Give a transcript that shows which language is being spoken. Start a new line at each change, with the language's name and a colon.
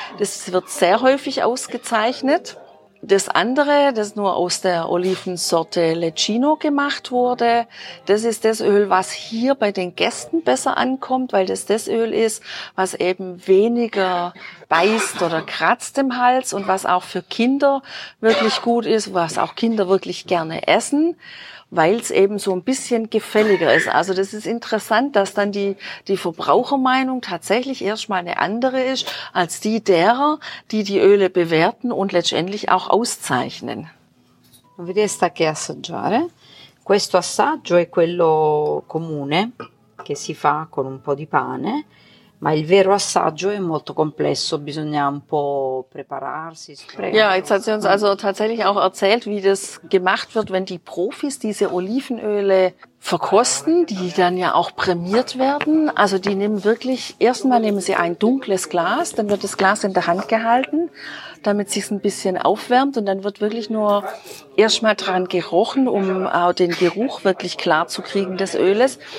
German: Das wird sehr häufig ausgezeichnet. Das andere, das nur aus der Olivensorte Leccino gemacht wurde, das ist das Öl, was hier bei den Gästen besser ankommt, weil das Öl ist, was eben weniger beißt oder kratzt im Hals und was auch für Kinder wirklich gut ist, was auch Kinder wirklich gerne essen, weil es eben so ein bisschen gefälliger ist. Also das ist interessant, dass dann die Verbrauchermeinung tatsächlich erstmal eine andere ist als die derer, die die Öle bewerten und letztendlich auch auszeichnen.
Italian: Vedeste che assaggiare? Questo assaggio è quello comune che si fa con un po' di pane. Ma il vero assaggio è molto complesso, bisogna un po' prepararsi.
German: Ja, jetzt hat sie uns also tatsächlich auch erzählt, wie das gemacht wird, wenn die Profis diese Olivenöle verkosten, die dann ja auch prämiert werden. Also die nehmen wirklich, erstmal nehmen sie ein dunkles Glas, dann wird das Glas in der Hand gehalten, damit sich's ein bisschen aufwärmt und dann wird wirklich nur erstmal dran gerochen, um auch den Geruch wirklich klar zu kriegen des Öles.